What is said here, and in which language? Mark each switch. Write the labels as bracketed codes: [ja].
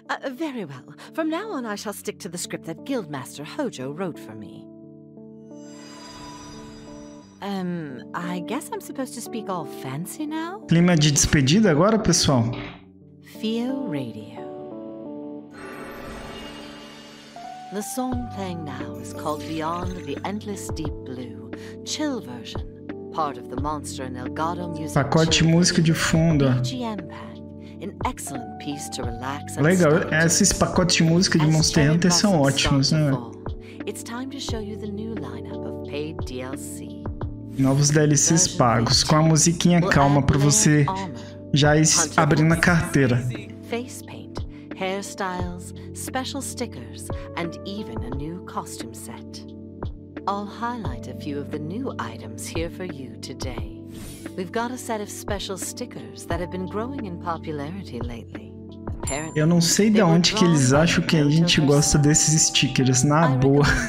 [en] Very well. From now on, I shall stick to the script that Guildmaster Hojo wrote for me. I guess I'm supposed to speak all fancy now? [pt] Clima de despedida agora, pessoal. Fio Radio. [en] The song playing now is called Beyond the Endless Deep Blue, chill version, part of the Monster and Elgato music. [pt] Pacote chill. Música de fundo. [en] BGM pack, an excellent piece to relax and [pt] legal, esses pacotes de música de Monster Hunter são ótimos, né? [en] It's time to show you the new lineup of paid DLC. [pt] Novos DLCs pagos, com a musiquinha calma para você já ir abrindo a carteira. [en] Face paint, hairstyles, special stickers, and even a new costume set. I'll highlight a few of the new items here for you today. We've got a set of special stickers that have been growing in popularity lately. [pt] Eu não sei de onde que eles acham que a gente gosta desses stickers, na boa.